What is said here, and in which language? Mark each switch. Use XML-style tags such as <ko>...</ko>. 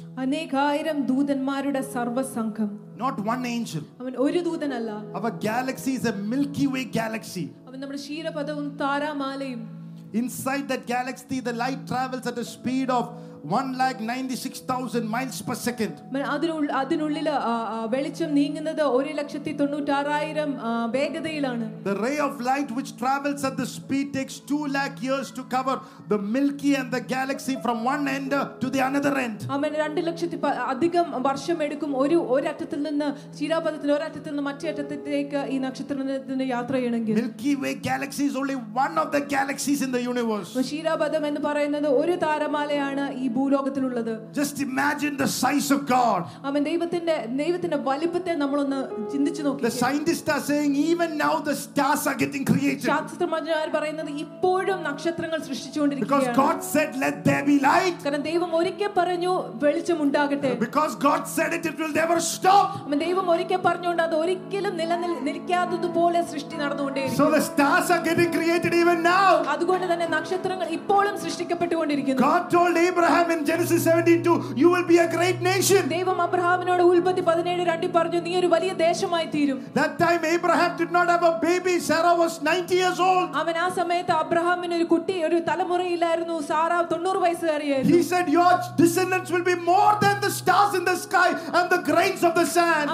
<ml>അനേകായിരം ദൂതന്മാരുടെ സർവസംഘം.</ml> <en>Not one angel.</en> <ml>അവൻ ഒരു ദൂതനല്ല.</ml> <en>Our galaxy is a Milky Way galaxy.</en> <ml>അവൻ നമ്മുടെ ക്ഷീരപഥവും താരാമാലയും.</ml> <en>Inside that galaxy, the light travels at a speed of 196,000 miles per second.</en> <ml>അതിനുള്ളിൽ വെളിച്ചം നീങ്ങുന്നത് 196,000 വേഗതയിലാണ്.</ml> <en>The ray of light which travels at this speed takes 200,000 years to cover the Milky and the galaxy from one end to the another end.</en> <ml>അമേൻ. 200,000 അധികം വർഷം എടുക്കും ഒരു അറ്റത്തിൽ നിന്ന് ചീരാപഥത്തിൽ ഒരറ്റത്തിൽ നിന്ന് മറ്റേ അറ്റത്തിലേക്ക് ഈ നക്ഷത്രത്തിന് യാത്ര ചെയ്യണമെങ്കിൽ.</ml> <en>Milky Way galaxy is only one of the galaxies in the universe.</en> <ml>ചീരാപഥം എന്ന് പറയുന്നത് ഒരു താരമാലയാണ് ഈ ഭൂലോകത്തിലുള്ളത്.</ml> <en>Just imagine the size of God.</en> <ml>അമേൻ. ദൈവത്തിന്റെ വലിപ്പത്തെ നമ്മൾ ഒന്ന് ചിന്തിച്ചു നോക്കി.</ml> <en>The scientists are saying even now the stars are getting created.</en> <ml>ശാസ്ത്രജ്ഞന്മാർ പറയുന്നത് ഇപ്പോഴും നക്ഷത്രങ്ങൾ സൃഷ്ടിച്ചുകൊണ്ടിരിക്കുകയാണ്.</ml> <en>Because God said let there be light.</en> <ml>കാരണം ദൈവം ഒരിക്കൽ പറഞ്ഞു വെളിച്ചം ഉണ്ടാകട്ടെ.</ml> <en>Because God said it will never stop.</en> <ml>അമേൻ. ദൈവം ഒരിക്കൽ പറഞ്ഞുകൊണ്ട് അത് ഒരിക്കലും നിലനിൽക്കാത്തതുപോലെ സൃഷ്ടി നടന്നുകൊണ്ടേയിരിക്കുന്നു.</ml> <en>So the stars are getting created even now.</en> <ml>അതുകൊണ്ട് തന്നെ നക്ഷത്രങ്ങൾ ഇപ്പോഴും സൃഷ്ടിക്കപ്പെട്ടുകൊണ്ടിരിക്കുന്നു.</ml> <en>God told Abraham in Genesis 17:2, you will be a great nation.</en> <ml>ദൈവം അബ്രഹാമിനോട് ഉൽപ്പത്തി 17:2 പറഞ്ഞു നീ ഒരു വലിയ ദേശമായി തീരും.</ml> <en>That time Abraham did not have a baby. Sarah was 90 years old.</en> <ml>അവൻ ആ സമയത്ത് അബ്രഹാമിന് ഒരു കുട്ടി ഒരു തലമുറയില്ലായിരുന്നു. Sara 90 വയസ്സുകാരിയായിരുന്നു.</ml> <en>He said your descendants will be more than the stars in the sky and the grains of the sand.</en>